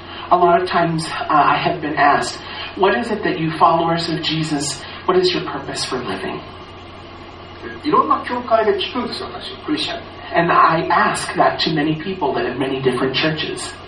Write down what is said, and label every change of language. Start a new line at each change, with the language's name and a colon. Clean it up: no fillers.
English: A lot of times I have been asked, what is it that you followers of Jesus, what is your purpose for living?
Japanese: いろんな教会で聞くんですよ、私、クリスチャン。
English: And I ask that to many people that in many different churches.